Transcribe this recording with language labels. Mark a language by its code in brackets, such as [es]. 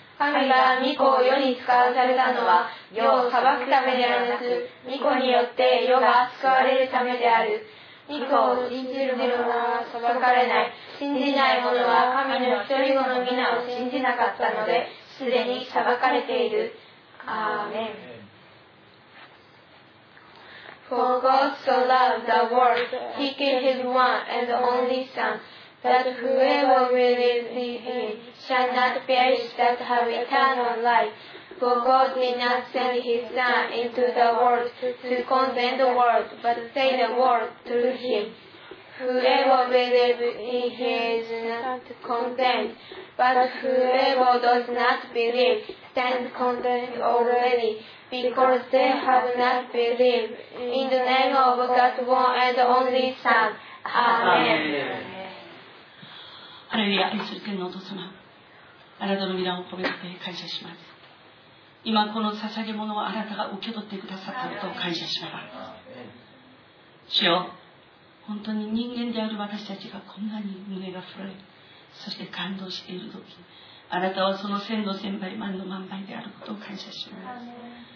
[ja] 神が御子を世に使わされたのは世を裁くためではなく御子によって世が救われるためである。御子を信じる者は裁かれない、信じない者は神の一人子の皆を信じなかったのですでに裁かれている。アーメン。 [en] For God so loved the world, he gave his one and only Son, that whoever believes in him shall not perish but have eternal life. For God did not send his Son into the world to condemn the world, but save the world through him. Whoever believes in him is not condemned, but whoever does not believe stands condemned already. Because they have not believed in the name of God's one and only Son. Amen. [ja] ハレルヤ。イエス天のお父様、あなたの御名を褒めて感謝します。今この捧げ物をあなたが受け取ってくださったことを感謝します。主よ、本当に人間である私たちがこんなに胸が震え、そして感動している時、あなたはその千の千倍万の万倍であることを感謝します。